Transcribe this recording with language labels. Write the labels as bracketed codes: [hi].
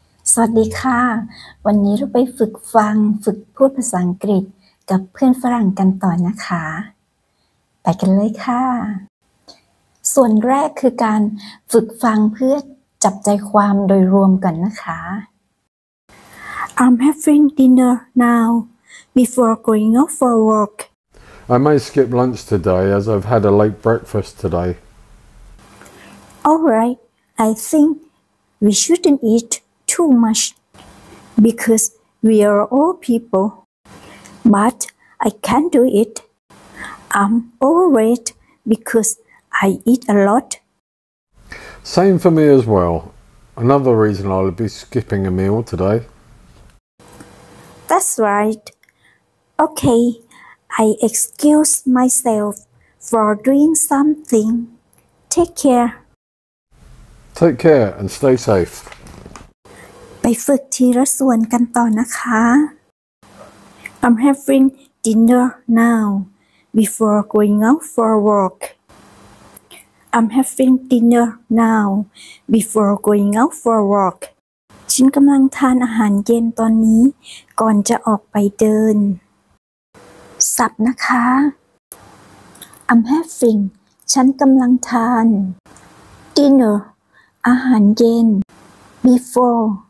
[th] สวัสดีค่ะวันนี้เราไปฝึกฟังฝึกพูดภาษาอังกฤษกับเพื่อนฝรั่งกันต่อนะคะไปกันเลยค่ะส่วนแรกคือการฝึกฟังเพื่อจับใจความโดยรวมกันนะคะ [en] I'm having dinner now before going off for work I might skip lunch today as I've had a late breakfast today All right I think we shouldn't eatToo much, because we are all people. But I can't do it. I'm overweight because I eat a lot. Same for me as well. Another reason I'll be skipping a meal today. That's right. Okay, I excuse myself for doing something. Take care. Take care and stay safe. [th] ไปฝึกทีละส่วนกันต่อนะคะ [en] I'm having dinner now before going out for work. I'm having dinner now before going out for work. [th] ฉันกำลังทานอาหารเย็นตอนนี้ก่อนจะออกไปเดินศัพท์นะคะ [en] I'm having [th] ฉันกำลังทาน [en] dinner [th] อาหารเย็น [en] before